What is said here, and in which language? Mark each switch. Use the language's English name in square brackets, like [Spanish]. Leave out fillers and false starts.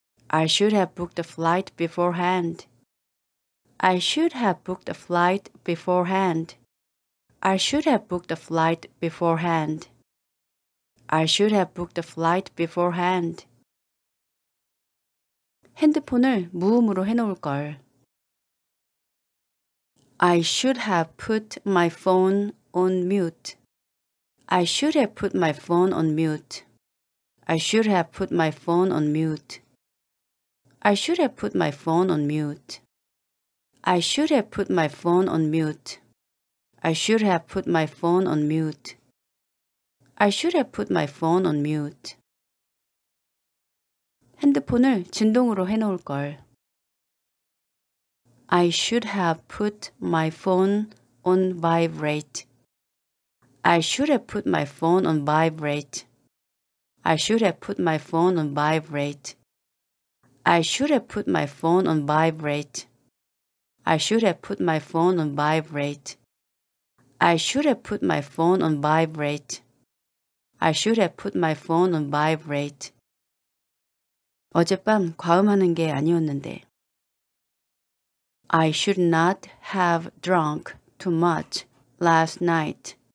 [English] I should have booked a flight beforehand. I should have booked a flight beforehand. I should have booked a flight beforehand. I should have booked a flight beforehand. [Korean] 핸드폰을 무음으로 해놓을 걸. [English] I should have put my phone on mute. I should have put my phone on mute. I should have put my phone on mute. I should have put my phone on mute. I should have put my phone on mute. I should have put my phone on mute. I should have put my phone on mute. [Korean] 핸드폰을 진동으로 해놓을 걸. [English] I should have put my phone on vibrate. I should have put my phone on vibrate. I should have put my phone on vibrate. I should have put my phone on vibrate. I should have put my phone on vibrate. I should have put my phone on vibrate. I should have put my phone on vibrate. [Korean] 어젯밤 과음하는 게 아니었는데. [English] I should not have drunk too much last night.